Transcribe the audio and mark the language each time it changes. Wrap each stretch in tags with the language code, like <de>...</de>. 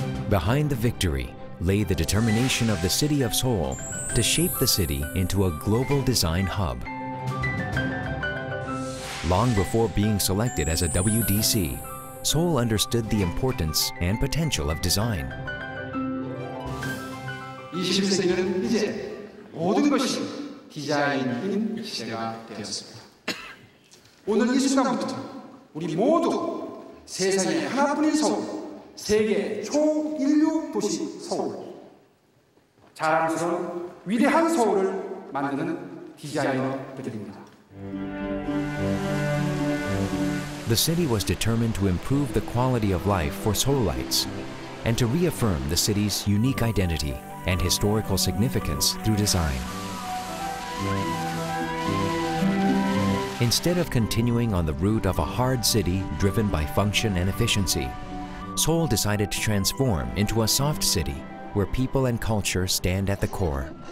<en>Behind the victory lay the determination of the city of Seoul to shape the city into a global design hub. Long before being selected as a WDC, Seoul understood the importance and potential of design.</en> <ko>21세기는 이제 모든 것이 디자인인 시대가 되었습니다. 오늘 이 순간부터 우리 모두 세상의 하나뿐인 서울 세계 초인류 도시 서울 자랑스러운 위대한 서울을 만드는 디자이너들입니다.</ko> <en>The city was determined to improve the quality of life for Seoulites and to reaffirm the city's unique identity and historical significance through design. Instead of continuing on the route of a hard city driven by function and efficiency, Seoul decided to transform into a soft city where people and culture stand at the core.</en>